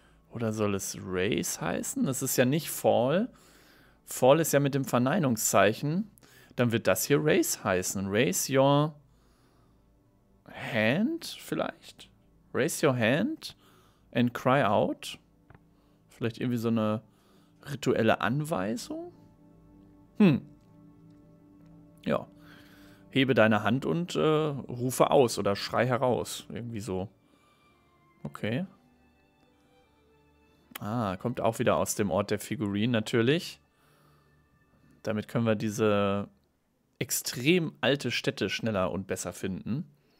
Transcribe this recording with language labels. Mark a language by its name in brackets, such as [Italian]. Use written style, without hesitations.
[German] Oder soll es Race heißen? Das ist ja nicht Fall. Fall ist ja mit dem Verneinungszeichen. Dann wird das hier Race heißen. [English] Raise your hand [German] vielleicht? [English] Raise your hand and cry out. [German] Vielleicht irgendwie so eine rituelle Anweisung? Ja. Hebe deine Hand und rufe aus oder schrei heraus. Irgendwie so. Okay. Ah, kommt auch wieder aus dem Ort der Figurinen natürlich. Damit können wir diese extrem alte Stätte schneller und besser finden.